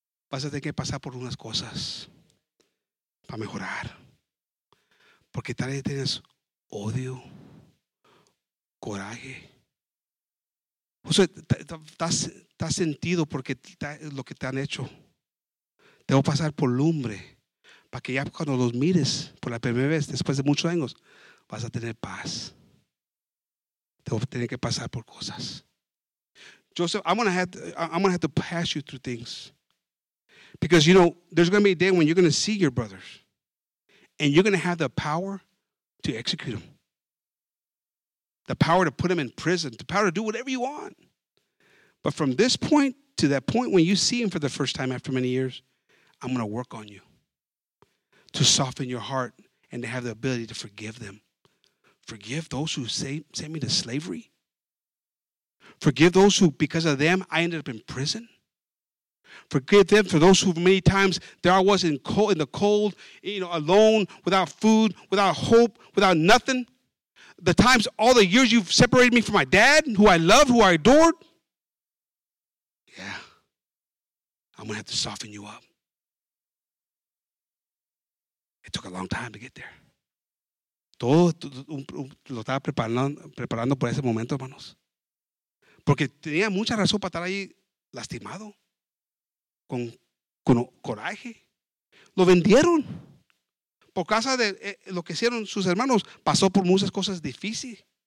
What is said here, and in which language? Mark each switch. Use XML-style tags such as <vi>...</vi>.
<es>Vas a tener que pasar por unas cosas para mejorar. Porque tal vez tienes odio, coraje. O sea, estás sentido porque lo que te han hecho. Debo pasar por lumbre para que ya cuando los mires por la primera vez, después de muchos años, vas a tener paz. Debo tener que pasar por cosas.</es> <en>Joseph, I'm gonna have to pass you through things. Because, you know, there's going to be a day when you're going to see your brothers. And you're going to have the power to execute them. The power to put them in prison. The power to do whatever you want. But from this point to that point when you see him for the first time after many years, I'm going to work on you to soften your heart and to have the ability to forgive them. Forgive those who sent me to slavery. Forgive those who, because of them, I ended up in prison. Forgive them for those who many times there I was in the cold, you know, alone, without food, without hope, without nothing. The times, all the years you've separated me from my dad, who I love, who I adored. Yeah. I'm going to have to soften you up. It took a long time to get there.</en> <es>Todo lo estaba preparando por ese momento, hermanos. Porque tenía mucha razón para estar ahí lastimado. Con coraje. Lo vendieron. Por causa de lo que hicieron sus hermanos, pasó por muchas cosas difíciles.</es>